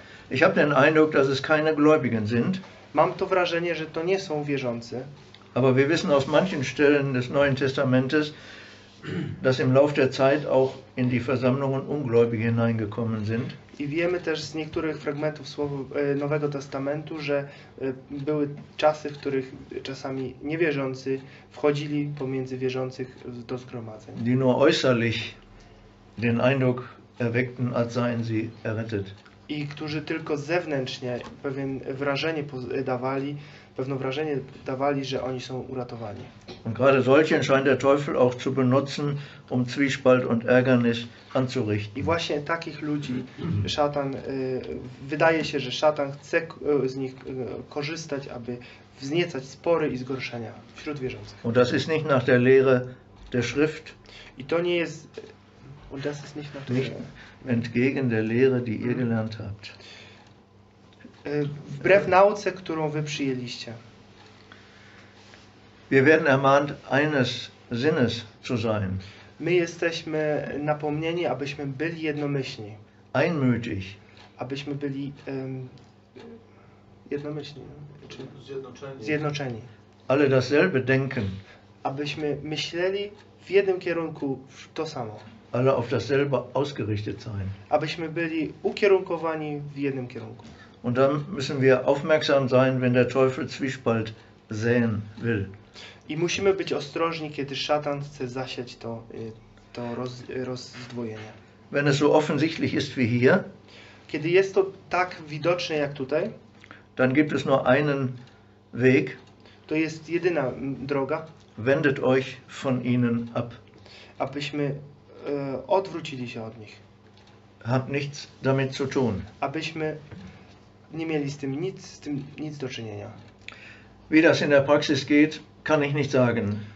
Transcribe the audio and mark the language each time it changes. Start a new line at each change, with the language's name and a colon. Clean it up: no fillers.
German: Ich habe den Eindruck, dass es keine Gläubigen sind.
Polish: Mam to wrażenie, że to nie są wierzący.
German: Aber wir wissen aus manchen Stellen des Neuen Testamentes, dass im Lauf der Zeit auch in die Versammlungen Ungläubige hineingekommen sind.
Polish: I wiemy też z niektórych fragmentów słowa Nowego Testamentu, że były czasy, w których czasami niewierzący wchodzili pomiędzy wierzących do zgromadzeń.
German: Die nur äußerlich den Eindruck erweckten, als seien sie errettet.
Polish: I którzy tylko zewnętrznie pewien wrażenie dawali, pewne wrażenie dawali, że oni są uratowani.
German: Und gerade solche scheint der Teufel auch zu benutzen, um Zwiespalt und Ärgernis anzurichten.
Polish: I właśnie takich ludzi szatan, wydaje się, że szatan chce z nich korzystać, aby wzniecać spory i zgorszenia wśród wierzących.
German: Und das ist nicht nach der Lehre der Schrift.
Polish: I to nie jest,
German: und das ist nicht nach der Lehre. Entgegen der Lehre, die ihr gelernt habt.
Polish: Wbrew nauce, którą wy przyjęliście.
German: Wir werden ermahnt, eines Sinnes zu sein.
Polish: My jesteśmy napomnieni, abyśmy byli jednomyślni.
German: Einmütig.
Polish: Abyśmy byli jednomyślni. Zjednoczeni. Zjednoczeni.
German: Ale dasselbe denken.
Polish: Abyśmy myśleli w jednym kierunku to samo.
German: Alle auf dasselbe ausgerichtet sein.
Polish: Abyśmy byli ukierunkowani w jednym kierunku.
German: Und dann müssen wir aufmerksam sein, wenn der Teufel Zwiespalt säen will.
Polish: I musimy być ostrożni, kiedy szatan chce zasiać to rozdwojenie.
German: Wenn es so offensichtlich ist wie hier,
Polish: kiedy jest to tak widoczne jak tutaj,
German: dann gibt es nur einen Weg.
Polish: To jest jedyna droga.
German: Wendet euch von ihnen ab.
Polish: Abyśmy odwrócili się od nich.
German: Habt nichts damit zu tun.
Polish: Abyśmy nie mieli z tym nic do czynienia.
German: Wie das in der Praxis geht, kann ich nicht sagen.